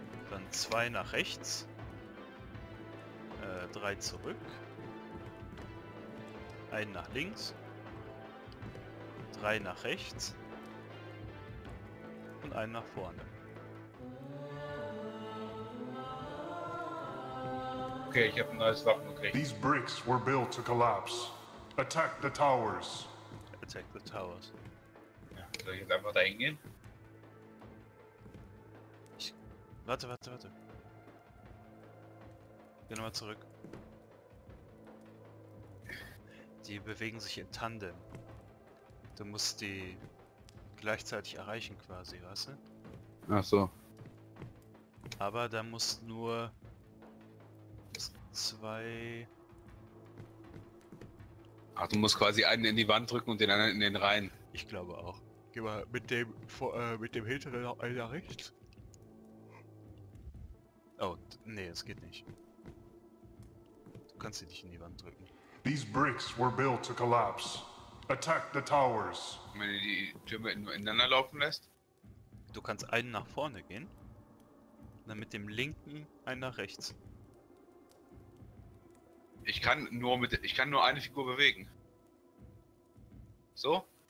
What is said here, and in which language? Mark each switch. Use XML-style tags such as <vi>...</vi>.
<de>Dann 2 nach rechts, 3 zurück, 1 nach links, 3 nach rechts und 1 nach vorne. Okay, ich habe ein neues Wappen gekriegt.</de> <en>These bricks were built to collapse. Attack the towers. Attack the towers.</en> <de>Ja, soll ich jetzt einfach da hingehen? Warte. Geh nochmal zurück. Die bewegen sich in Tandem. Du musst die gleichzeitig erreichen quasi, weißt du? Ach so. Aber da muss nur zwei... Ach, du musst quasi einen in die Wand drücken und den anderen in den Reihen. Ich glaube auch. Geh mal mit dem hinteren einer rechts. Oh, nee, es geht nicht. Du kannst sie nicht in die Wand drücken.</de> <en>These bricks were built to collapse. Attack the towers.</en> <de>Wenn du die Türme ineinander laufen lässt? Du kannst einen nach vorne gehen. Und dann mit dem linken einen nach rechts. Ich kann nur eine Figur bewegen. So?</de>